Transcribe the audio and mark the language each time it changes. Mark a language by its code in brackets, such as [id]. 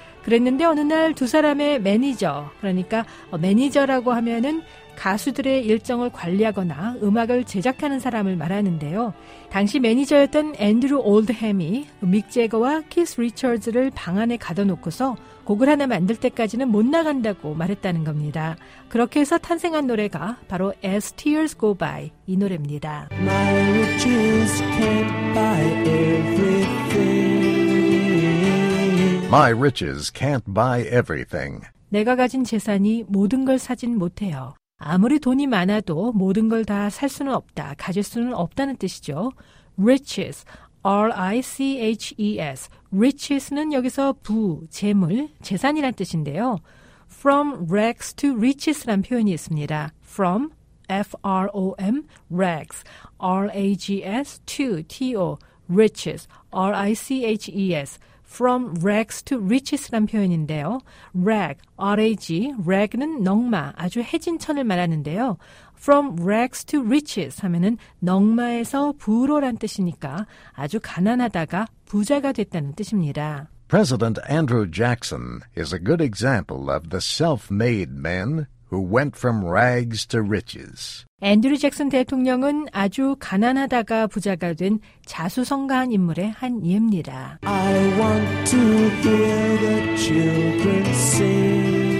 [ko] 그랬는데 어느 날 두 사람의 매니저, 그러니까 매니저라고 하면은 가수들의 일정을 관리하거나 음악을 제작하는 사람을 말하는데요. 당시 매니저였던 앤드류 올드햄이 믹 재거와 키스 리처즈를 방 안에 가둬놓고서 곡을 하나 만들 때까지는 못 나간다고 말했다는 겁니다. 그렇게 해서 탄생한 노래가 바로 As Tears Go By 이 노래입니다. [en] My riches can't buy everything. My riches can't buy everything. [ko] 내가 가진 재산이 모든 걸 사진 못해요. 아무리 돈이 많아도 모든 걸 다 살 수는 없다, 가질 수는 없다는 뜻이죠. [en] Riches, R-I-C-H-E-S. [ko] Riches는 여기서 부, 재물, 재산이란 뜻인데요. [en] From rags to riches란 [ko] 표현이 있습니다. [en] From, F-R-O-M, rags, R-A-G-S, to, T-O, riches, R-I-C-H-E-S. From rags to riches [ko] 란 표현인데요. Rag, R-A-G, rag는 넝마, 아주 해진 천을 말하는데요. [en] From rags to riches [ko] 하면은 넝마에서 부로란 뜻이니까 아주 가난하다가 부자가 됐다는 뜻입니다. [en] President Andrew Jackson is a good example of the self-made man who went from rags to riches. [ko] 앤드류 잭슨 대통령은 아주 가난하다가 부자가 된 자수성가한 인물의 한 예입니다. [en] I want to hear the children sing.